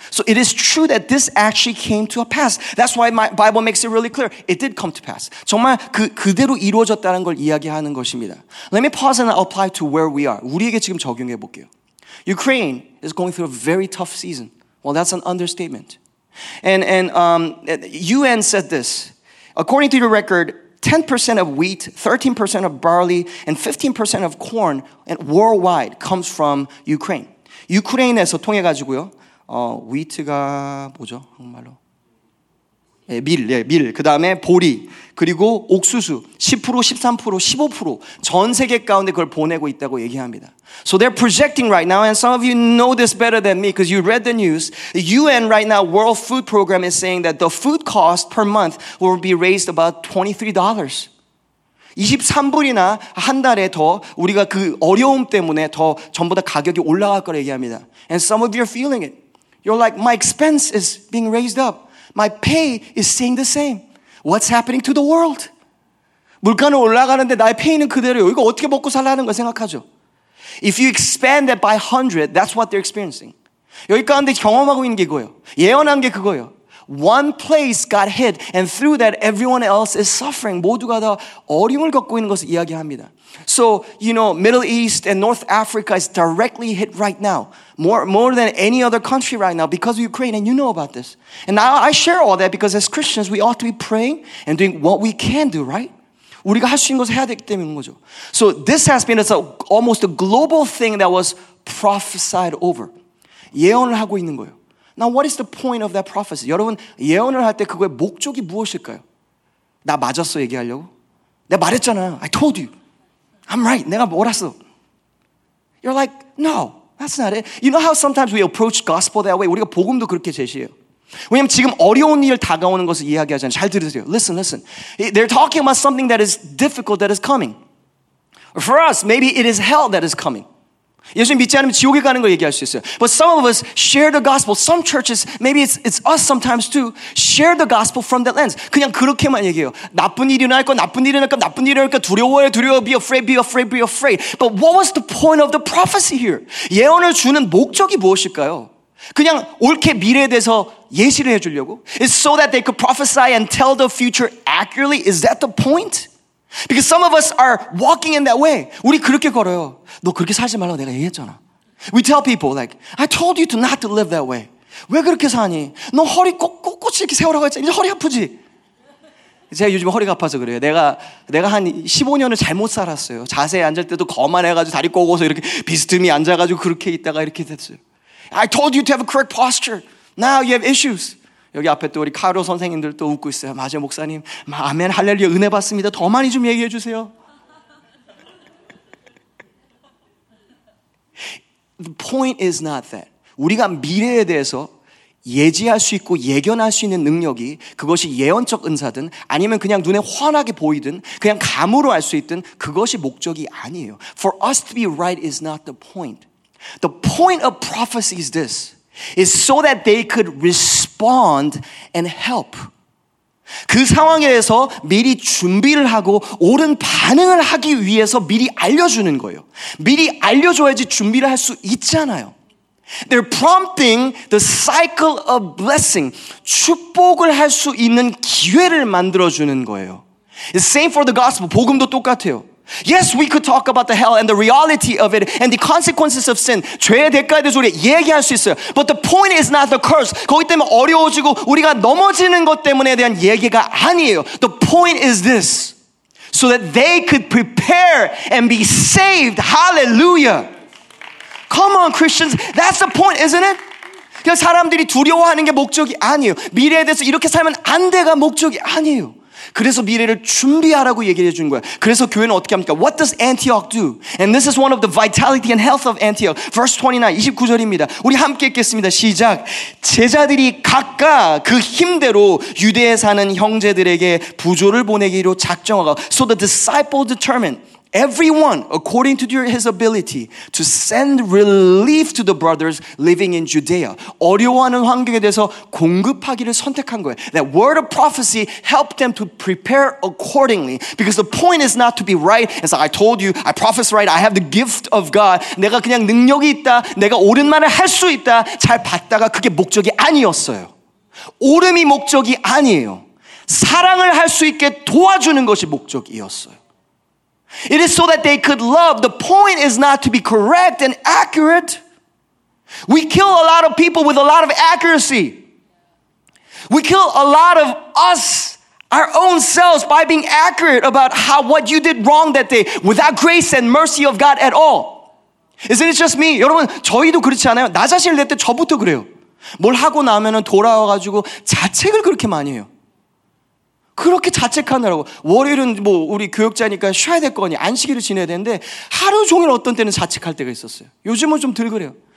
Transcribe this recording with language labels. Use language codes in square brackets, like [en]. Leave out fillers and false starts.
[en] So it is true that this actually came to a pass. That's why my Bible makes it really clear. It did come to pass. [ko] 정말 그대로 이루어졌다는 걸 이야기하는 것입니다. [en] Let me pause and apply to where we are. [ko] 우리에게 지금 적용해 볼게요. [en] Ukraine is going through a very tough season. Well, that's an understatement. And UN said this. According to the record, 10% of wheat, 13% of barley, and 15% of corn worldwide comes from Ukraine. [ko] Ukraine에서 통해 가지고요. 위트가 뭐죠? 한국말로. 밀. 그다음에 보리, 그리고 옥수수. 10%, 13%, 15% 전 세계 가운데 그걸 보내고 있다고 얘기합니다. [en] So they're projecting right now, and some of you know this better than me because you read the news. The UN right now, World Food Program is saying that the food cost per month will be raised about $23. 23불이나 한 달에 더 우리가 그 어려움 때문에 더 전부 다 가격이 올라갈 거라 얘기합니다. And some of you are feeling it. You're like, my expense is being raised up. My pay is staying the same. What's happening to the world? [ko] 물가는 올라가는데 나의 페이는 그대로요. 이거 어떻게 먹고 살라는 걸 생각하죠. [en] If you expand it by 100, that's what they're experiencing. [ko] 여기 가운데 경험하고 있는 게 그거예요. 예언한 게 그거예요. [en] One place got hit, and through that, everyone else is suffering. [ko] 모두가 다 어려움을 겪고 있는 것을 이야기합니다. [en] So, you know, Middle East and North Africa is directly hit right now. More than any other country right now because of Ukraine, and you know about this. And now I share all that because as Christians, we ought to be praying and doing what we can do, right? [ko] 우리가 할 수 있는 것을 해야 되기 때문인 거죠. [en] So this has been almost a global thing that was prophesied over. [ko] 예언을 하고 있는 거예요. [en] Now what is the point of that prophecy? [ko] 여러분, 예언을 할 때 그거의 목적이 무엇일까요? 나 맞았어 얘기하려고? 내가 말했잖아. [en] I told you. I'm right. [ko] 내가 옳았어. [en] You're like, no, that's not it. You know how sometimes we approach gospel that way? [ko] 우리가 복음도 그렇게 제시해요. 왜냐면 지금 어려운 일 다가오는 것을 이야기하잖아요. 잘 들으세요. [en] Listen. They're talking about something that is difficult that is coming. For us, maybe it is hell that is coming. [ko] 예수님 믿지 않으면 지옥에 가는 걸 얘기할 수 있어요. [en] But some of us share the gospel. Some churches, maybe it's us sometimes too, share the gospel from that lens. [ko] 그냥 그렇게만 얘기해요. 나쁜 일이 날 거, 나쁜 일이 날 거, 나쁜 일이 날 거, 두려워해, 두려워, [en] be afraid. But what was the point of the prophecy here? [ko] 예언을 주는 목적이 무엇일까요? 그냥 옳게 미래에 대해서 예시를 해주려고? [en] It's so that they could prophesy and tell the future accurately. Is that the point? Because some of us are walking in that way. [ko] 우리 그렇게 걸어요. 너 그렇게 살지 말라고 내가 얘기했잖아. [en] We tell people like, I told you to not to live that way. [ko] 왜 그렇게 사니? 너 허리 꼿꼿꼿이 이렇게 세우라고 했잖아. 이제 허리 아프지? 제가 요즘 허리가 아파서 그래요. 내가 한 15년을 잘못 살았어요. 자세히 앉을 때도 거만해가지고 다리 꼬고서 이렇게 비스듬히 앉아가지고 그렇게 있다가 이렇게 됐어요. [en] I told you to have a correct posture. Now you have issues. [ko] 여기 앞에 또 우리 카이로 선생님들 또 웃고 있어요. 맞아요, 목사님. 아멘, 할렐루야, 은혜 받습니다. 더 많이 좀 얘기해 주세요. [en] The point is not that. [ko] 우리가 미래에 대해서 예지할 수 있고 예견할 수 있는 능력이 그것이 예언적 은사든 아니면 그냥 눈에 환하게 보이든 그냥 감으로 알 수 있든 그것이 목적이 아니에요. [en] For us to be right is not the point. The point of prophecy is this, is so that they could respond and help. [ko] 그 상황에 대해서 미리 준비를 하고 옳은 반응을 하기 위해서 미리 알려주는 거예요. 미리 알려줘야지 준비를 할 수 있잖아요. [en] They're prompting the cycle of blessing. [ko] 축복을 할 수 있는 기회를 만들어주는 거예요. [en] It's same for the gospel. [ko] 복음도 똑같아요. [en] Yes, we could talk about the hell and the reality of it and the consequences of sin. [ko] 죄의 대가에 대해서 우리 얘기할 수 있어요. [en] But the point is not the curse. [ko] 거기 때문에 어려워지고 우리가 넘어지는 것 때문에 대한 얘기가 아니에요. [en] The point is this. So that they could prepare and be saved. Hallelujah. Come on, Christians. That's the point, isn't it? [ko] 그냥 사람들이 두려워하는 게 목적이 아니에요. 미래에 대해서 이렇게 살면 안 돼가 목적이 아니에요. 그래서 미래를 준비하라고 얘기를 해주는 거야. 그래서 교회는 어떻게 합니까? [en] What does Antioch do? And this is one of the vitality and health of Antioch. Verse 29, [ko] 29절입니다. 우리 함께 읽겠습니다. 시작. 제자들이 각각 그 힘대로 유대에 사는 형제들에게 부조를 보내기로 작정하고. [en] So the disciple determined everyone according to his ability to send relief to the brothers living in Judea. [ko] 어려워하는 환경에 대해서 공급하기를 선택한 거예요. [en] That word of prophecy helped them to prepare accordingly. Because the point is not to be right. As I told you, I prophesy right. I have the gift of God. [ko] 내가 그냥 능력이 있다. 내가 옳은 말을 할 수 있다. 잘 봤다가 그게 목적이 아니었어요. 옳음이 목적이 아니에요. 사랑을 할 수 있게 도와주는 것이 목적이었어요. [en] It is so that they could love. The point is not to be correct and accurate. We kill a lot of people with a lot of accuracy. We kill a lot of us, our own selves, by being accurate about how what you did wrong that day without grace and mercy of God at all. Isn't it just me? [ko] 여러분, 저희도 그렇지 않아요? 나 자신을 낼 때 저부터 그래요. 뭘 하고 나면은 돌아와가지고 자책을 그렇게 많이 해요. 그렇게 자책하느라고 월요일은 뭐 우리 교육자니까 쉬어야 될 거니 안식일을 지내야 되는데 하루 종일 어떤 때는 자책할 때가 있었어요. 요즘은 좀 덜 그래요.